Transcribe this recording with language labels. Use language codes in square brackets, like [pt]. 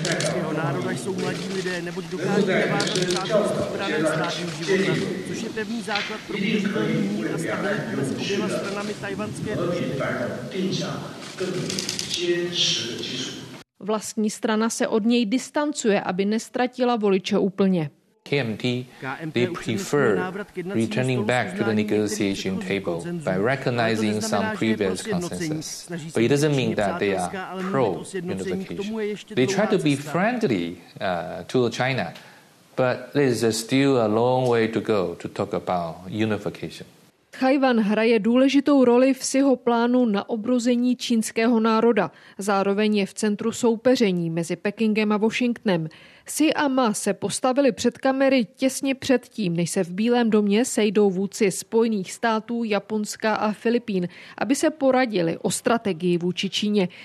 [cs] Jeho národa jsou mladí lidé, neboť dokáží nevážit žádnost obranem státním života, což je pevný základ pro budoucí mír a stabilitu mezi oběma stranami tajvanské družiny. Vlastní strana se od něj distancuje, aby neztratila voliče úplně. [en] KMT, they prefer returning back to the negotiation table by recognizing some previous consensus. But it doesn't mean that they are pro-unification. They try to be friendly to China, but there's still a long way to go to talk about unification. [cs] Tchaj-wan hraje důležitou roli v jeho plánu na obrození čínského národa. Zároveň je v centru soupeření mezi Pekingem a Washingtonem. Si a Ma se postavili před kamery těsně před tím, než se v Bílém domě sejdou vůdci Spojených států, Japonska a Filipín, aby se poradili o strategii vůči Číně.